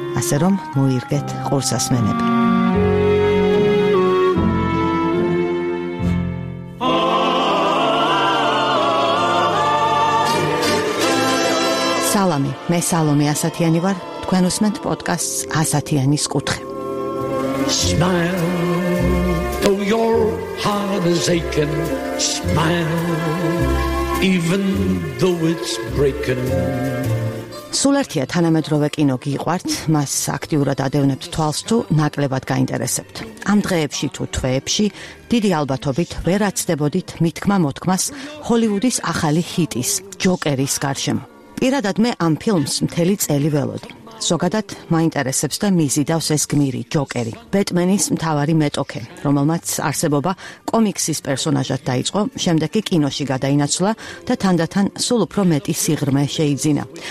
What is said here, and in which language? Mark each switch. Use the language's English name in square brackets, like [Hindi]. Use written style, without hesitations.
[Georgian] ასე რომ, მოირგეთ ყურსასმენები. Салами, მე სალომე ასათიანი ვარ. თქვენ უსმენთ პოდკასტს ასათიანის კუთხე. [English] Smile, though your heart is aching. Smile, even though it's breaking. [Georgian] სულ ერთია თანამედროვე კინო გიყვართ, მას აქტიურად ადევნებთ თვალს თუ ნაკლებად გაინტერესებთ. ამ დღეებში თუ თვეებში დიდი ალბათობით ვერ აცდებოდით მითქმა-მოთქმას ჰოლივუდის ახალი ჰიტის, ჯოკერის გარშემო. პირადად მე ამ ფილმს მთელი წელი ველოდი. ზოგადად მაინტერესებს და მიზიდავს ეს გმირი, ჯოკერი, ბეტმენის მთავარი მეტოქე, რომელმაც არსებობა კომიქსის პერსონაჟად დაიწყო, შემდეგ კი კინოში გადაინაცვლა და თანდათან სულ უფრო მეტი სიღრმე შეიძინა.